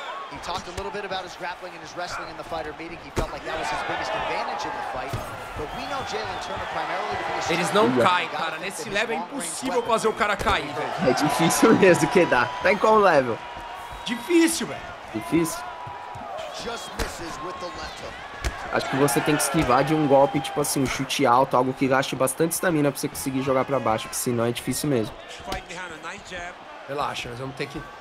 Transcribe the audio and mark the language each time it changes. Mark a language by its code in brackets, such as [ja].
[en] He talked a little bit about his grappling and his wrestling in the fighter meeting. He felt like that was his biggest advantage in the fight. But we know Jalen Turner primarily to be a striker. [pt] Eles não caem, cara. Nesse level é impossível fazer o cara cair, velho. É difícil mesmo que dá. Tá em qual level? Difícil, velho. Difícil? [en] Just misses with the left hook. [pt] Acho que você tem que esquivar de um golpe, tipo assim, um chute alto, algo que gaste bastante estamina pra você conseguir jogar pra baixo, porque senão é difícil mesmo. Relaxa, nós vamos ter que...